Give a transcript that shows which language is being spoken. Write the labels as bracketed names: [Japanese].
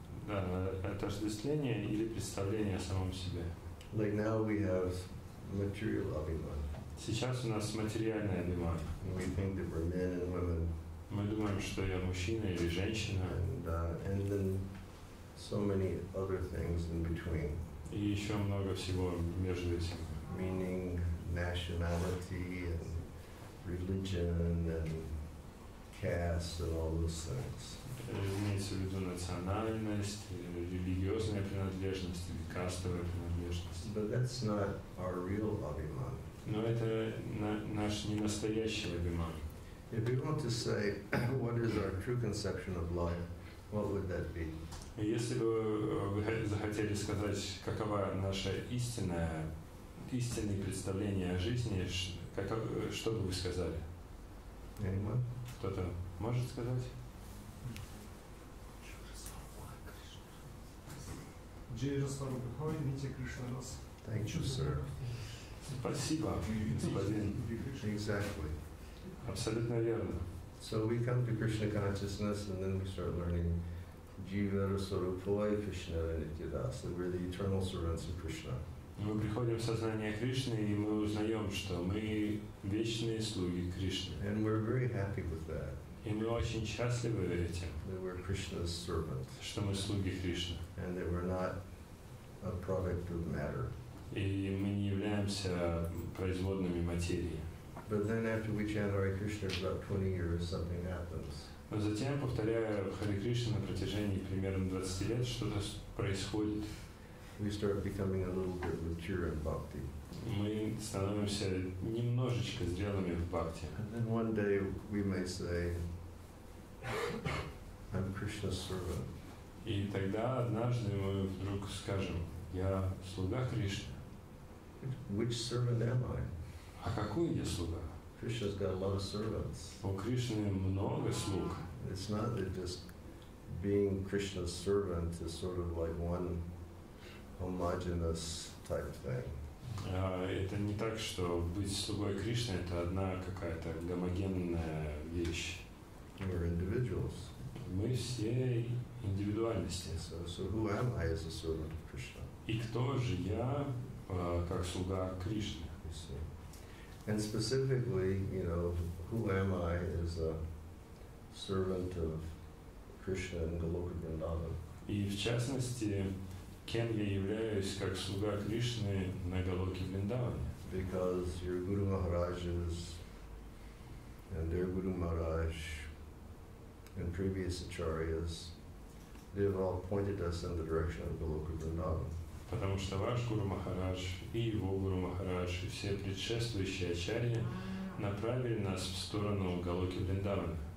[Russian] Да, отождествление или представление о самом себе. [English] Like now we have material Abhiman. [Russian] Сейчас у нас материальный Абиман. [English] We think that we're men and women. [Russian] Мы думаем, что я мужчина или женщина. [English] And then so many other things in between. [Russian] И еще много всего между этим. [English] Meaning nationality and religion and caste and all those things. [Russian] Имеется в виду национальность, религиозная принадлежность или кастовая принадлежность. [English] But that's not our real Abhiman. [Russian] Но это наш не настоящий Abhiman. [English] If we want to say what is our true conception of life, what would that be? [Russian] Если бы вы захотели сказать, какова наше истинное представление о жизни, что бы вы сказали? [English] Anyone? [Russian] Кто-то может сказать? [English] Thank you, sir. [Russian] Спасибо, господин. [English] Exactly. [Russian] Абсолютно верно. [English] So we come to Krishna consciousness and then we start learning [Sanskrit] Jiva Sarupoi Krishna Nityadas, [English] that we're the eternal servants of Krishna. [Russian] Мы приходим в сознание Кришны и мы узнаем, что мы вечные слуги Кришны. [English] And we're very happy with that. [Russian] И мы очень счастливы этим. [English] That we're Krishna's servant. [Russian] Что мы слуги Кришны. [English] And that we're not a product of matter. [Russian] И мы не являемся производными материи. [English] But then after we chant Hare Krishna for about 20 years, something happens. [Russian] Но затем, повторяя Харе Кришна на протяжении примерно 20 лет, что-то происходит. [English] We start becoming a little bit mature in bhakti. [Russian] Мы становимся немножечко зрелыми в бхакти. [English] And then one day we may say, I'm Krishna's servant. [Russian] И тогда однажды мы вдруг скажем, я слуга Кришны. [English] Which servant am I? [Russian] А какой я слуга? [English] Krishna's got a lot of servants. [Russian] У Кришны много слуг. [English] It's not that just being Krishna's servant is sort of like one homogeneous type thing. [Russian] Это не так, что быть слугой Кришны это одна какая-то гомогенная вещь. [English] We're individuals. [Russian] Мы все индивидуальности. [English] So who am I as a servant of Krishna? [Russian] И кто же я как слуга Кришны? [English] And specifically, you know, who am I as a servant of Krishna and Goloka Vrindavan? [Russian] И в частности, кем я являюсь как слуга Кришны на Голоке Вриндаване? [English] Because your Guru Maharaj is, and their Guru Maharaj, and previous Acharyas, they've all pointed us in the direction of Goloka Vrindavan. [Russian] потому что ваш Гуру Махарадж и его Гуру Махарадж и все предшествующие ачарьи направили нас в сторону Галоки Вриндавана.